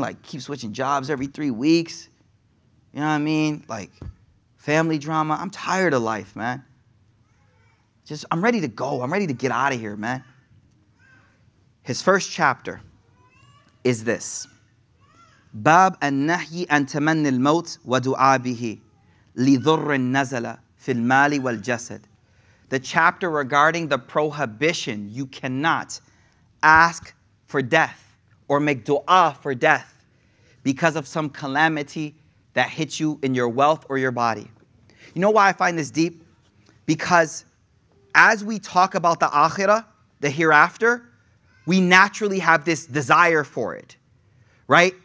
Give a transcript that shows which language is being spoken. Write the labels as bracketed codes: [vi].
[en] Like, keep switching jobs every 3 weeks. You know what I mean? Like, family drama. I'm tired of life, man. Just, I'm ready to go. I'm ready to get out of here, man. His first chapter is this. [ar] باب النهي عن تمني الموت ودعاء به لضر نزل في المال والجسد. [en] The chapter regarding the prohibition, you cannot ask for death or make dua for death because of some calamity that hits you in your wealth or your body. You know why I find this deep? Because as we talk about the akhirah, the hereafter, we naturally have this desire for it, right?